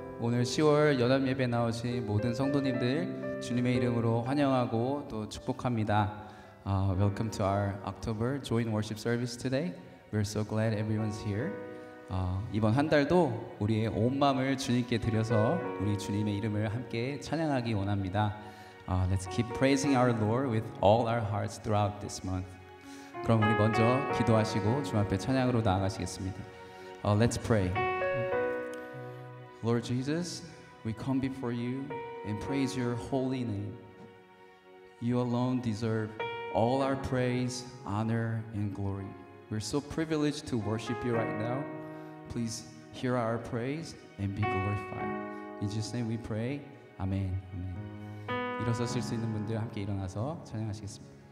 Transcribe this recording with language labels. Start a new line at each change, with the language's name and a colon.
Korean: 오늘 10월 연합 예배 나오신 모든 성도님들 주님의 이름으로 환영하고 또 축복합니다.
English: Welcome to our October joint worship service today. We're so glad everyone's here.
Korean: 이번 한 달도 우리의 온 마음을 주님께 드려서 우리 주님의 이름을 함께 찬양하기 원합니다.
English: Let's keep praising our Lord with all our hearts throughout this month.
Korean: 그럼 우리 먼저 기도하시고 주 앞에 찬양으로 나아가시겠습니다.
English: Let's pray. Lord Jesus, we come before you and praise your holy name. You alone deserve all our praise, honor, and glory. We're so privileged to worship you right now. Please hear our praise and be glorified. In Jesus' name we pray. Amen. Amen.
Korean: 일어서실 수 있는 분들 함께 일어나서 찬양하시겠습니다.